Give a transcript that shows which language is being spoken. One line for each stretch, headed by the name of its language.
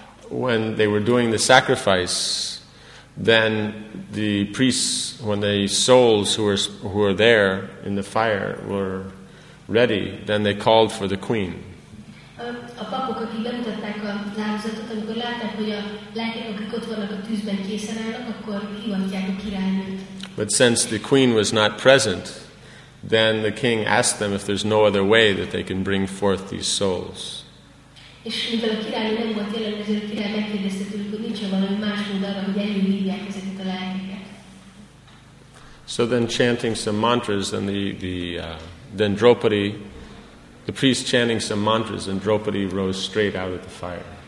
English: When they were doing the sacrifice, then the priests, when the souls who were there in the fire were ready, then they called for the queen.
Hungarian: A papok, akik bemutatták a lázatot, amikor látták, hogy a lelkek, akik ott vannak a tűzben készen állnak, akkor hívatják a királynőt.
English: But since the queen was not present, then the king asked them if there's no other way that they can bring forth these souls.
Hungarian: És mivel a király nem volt jelen, ezért a király megkérdezte tőlük, hogy nincs-e valami más mód arra, hogy előhívják ezeket a lelkeket.
English: So then chanting some mantras, and then Draupadi, the priest chanting some mantras, and Draupadi rose straight out of the fire.